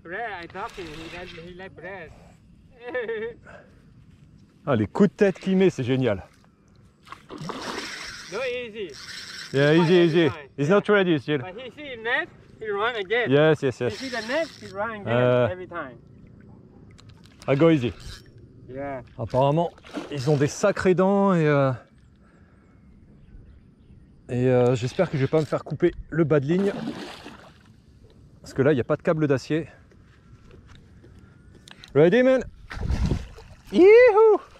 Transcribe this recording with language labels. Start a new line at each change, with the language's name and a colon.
English: I talk to him, he likes bread.
French: Ah, les coups de tête qu'il met, c'est génial.
English: No, easy. Yeah, easy, easy. He's not ready still. But he see net, he run again. Yes, yes, yes. He see the net, he run again every time. I go easy. Yeah.
French: Apparemment, ils ont des sacrées dents et j'espère que je vais pas me faire couper le bas de ligne. Parce que là, il n'y a pas de câble d'acier.
English: Ready, man? Yeehoo!